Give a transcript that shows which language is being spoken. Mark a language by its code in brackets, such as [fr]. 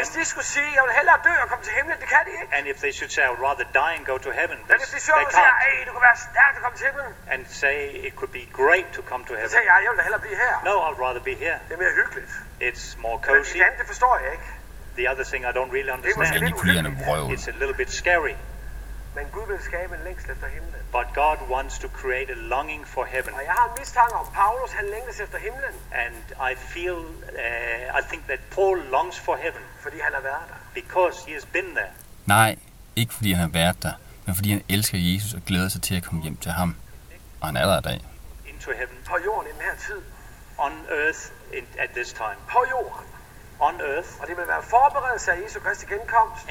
[da] Hvis de skulle sige, jeg vil hellere dø og komme til himlen, det kan de ikke. [en] And if they should say, I would rather die and go to heaven, this, they can't. [da] Men hvis de siger, hey, du kan være stærk at komme til himlen. [en] And say, it could be great to come to heaven. [da] Så siger jeg, jeg vil hellere blive her. [en] No, I'd rather be here. [da] Det er mere hyggeligt. [en] It's more cozy. [da] Men det forstår jeg ikke. [en] The other thing I don't really understand. [da] Det er måske lige kunne lide en [en] it's a little bit scary. [da] Men Gud vil skabe en længsel efter himlen. [en] But God wants to create a longing for heaven. [da] Og jeg har en mistanke om Paulus, han længes efter himlen. [en] And I feel, I think that Paul longs for heaven. [da] Fordi han har været der. [en] Because he has been there. [da] Nej, ikke fordi han har været der, men fordi han elsker Jesus og glæder sig til at komme hjem til ham. Og han er der i dag. [en] Into heaven. [da] På jorden i den her tid. [en] On earth in, at this time. [da] På jorden. [en] On earth. [da] Og det vil være forberedelse af Jesu Kristi genkomst.